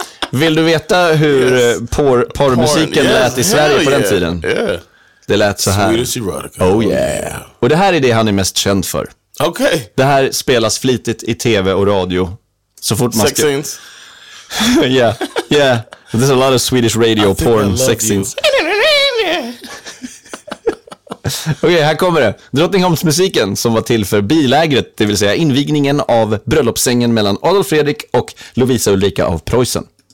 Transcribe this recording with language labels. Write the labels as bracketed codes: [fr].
[sv] Vill du veta hur porrmusiken lät i Sverige på den tiden? [en] Yeah. [sv] Det lät så här. [en] Swedish erotica. Oh yeah. [sv] Och det här är det han är mest känd för. [en] Okay. [sv] Det här spelas flitigt i TV och radio så fort man [en] sex scenes. Yeah. Yeah. There's a lot of Swedish radio porn sex scenes. [sv] Okej, okay, här kommer det. Drottningholmsmusiken som var till för bilägret, det vill säga invigningen av bröllopssängen mellan Adolf Fredrik och Lovisa Ulrika av Preussen.